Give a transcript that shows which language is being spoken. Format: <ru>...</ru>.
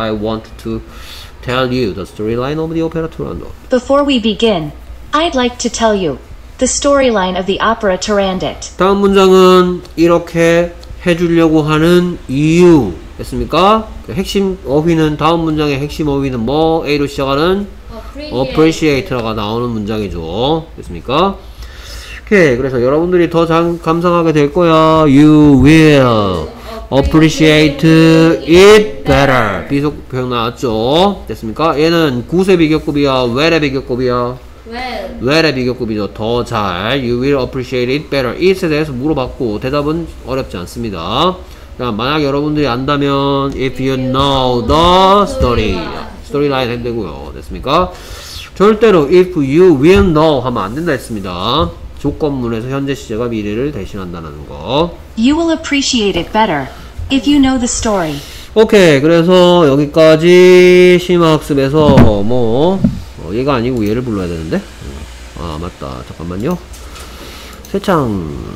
<en>I want to tell you the storyline of the opera Turandot. Before we begin, I'd like to tell you the storyline of the opera Turandot.</en> <ko>다음 문장은 이렇게 해주려고 하는 이유 했습니까? 그 핵심 어휘는, 다음 문장의 핵심 어휘는 뭐 A로 시작하는 appreciate라고 나오는 문장이죠. 됐습니까? 오케이. 그래서 여러분들이 더 감상하게 될 거야.</ko> <en>You will appreciate it better.</en> <ko>비속 표현 나왔죠. 됐습니까? 얘는 굿의 비교급이야. well의 비교급이야. well의 비교급이죠. 더 잘.</ko> <en>You will appreciate it better.</en> <ko>it에 대해서 물어봤고 대답은 어렵지 않습니다. 만약 여러분들이 안다면</ko> <en>if you know the story.</en> <ko>storyline 해도 되고요. 됐습니까? 절대로</ko> <en>if you will know</en> <ko>하면 안 된다 했습니다. 조건문에서 현재 시제가 미래를 대신한다는 거.</ko> <en>You will appreciate it better if you know the story.</en> <ko>오케이. 그래서 여기까지 심화학습에서 뭐 얘가 아니고 얘를 불러야 되는데. 아 맞다. 잠깐만요. 세창.</ko>